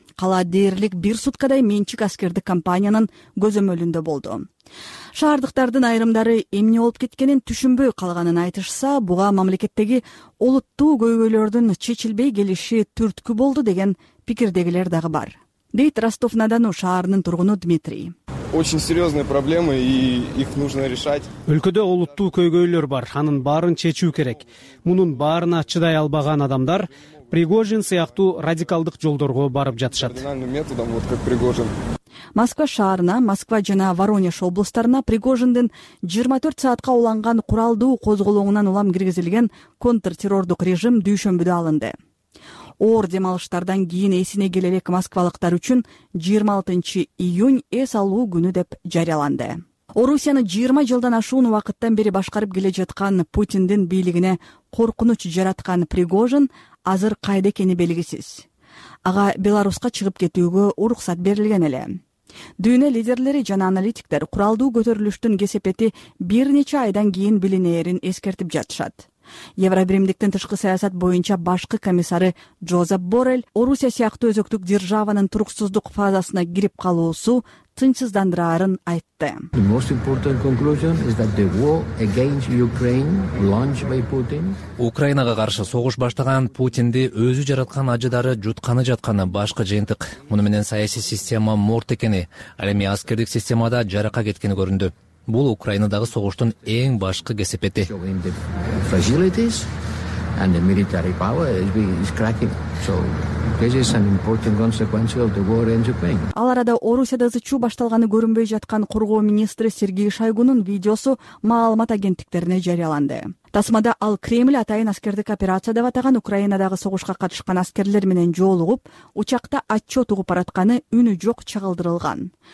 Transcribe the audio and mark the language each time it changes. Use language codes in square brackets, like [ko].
[ky] Кала дээрлик бир суткадай менчик аскердик компаниянын көзөмөлүндө болду. Шаардыктардын айрымдары эмне болуп кеткенин түшүнбөй калганын айтышса, буга мамлекеттеги олуттуу көйгөйлөрдүн чечилбей келиши түрткү болду деген пикирдегилер дагы бар, дейт Ростов-на-Дону шаарынын тургуну Дмитрий. [ru] Очень серьезные проблемы и их нужно решать. [ky] Өлкөдө олуттуу көйгөйлөр бар, анын баарын чечүү керек. Мунун баарына чыдай албаган адамдар Пригожин сыяктуу радикалдык жолдорго барып жатышат. Москва шаарына, Москва жана Воронеж областарына Пригожиндин 24 саатка уланган куралдуу козголоңунан улам киргизилген контртеррордук режим дүйшөмбүдө алынды. Оор демалыштардан кийин эсине келе элек москвалыктар үчүн 26-июнь эс алуу күнү деп жарыяланды. Орусияны 20 жылдан ашуун убакыттан бери башкарып келе жаткан Путиндин бийлигине коркунуч жараткан Пригожин азыр кайда экени белгисиз. Ага Беларуска чыгып кетүүгө уруксат берилген эле. Дүйнө лидерлери жана аналитиктер куралдуу көтөрүлүштүн кесепети бир нече айдан кийин билинэрин эскертип жатышат. Евробиримдиктин тышкы саясат боюнча башкы комиссары Джозеп Боррель Орусия сыяктуу өзөктүк державанын туруксуздук фазасына кирип калуусу тынчсыздандыраарын айтты. [en] The most important conclusion is that the war against Ukraine launched by Putin. [ky] Украинага каршы согуш баштаган Путинди өзү жараткан ажыдары жутканы жатканы башкы жыйынтык. Муну менен саясий система мурт экени, ал эми аскердик системада жарака кеткени көрүндү. Бул Украинадагы согуштун эң башкы кесепети. [en] Facilities and the military power is cracking. So this is an important consequence of the war in Ukraine. [ky] Ал арада Орусияда зычуу башталганы көрүнбөй жаткан коргоо министри Сергей Шойгунун видеосу маалымат агенттиктерине жарыяланды. Тасмада ал Кремль атайын аскердик операция деп атаган Украинадагы согушка катышкан аскерлер менен жолугуп, учакта отчет угуп баратканы үнү жок чагылдырылган.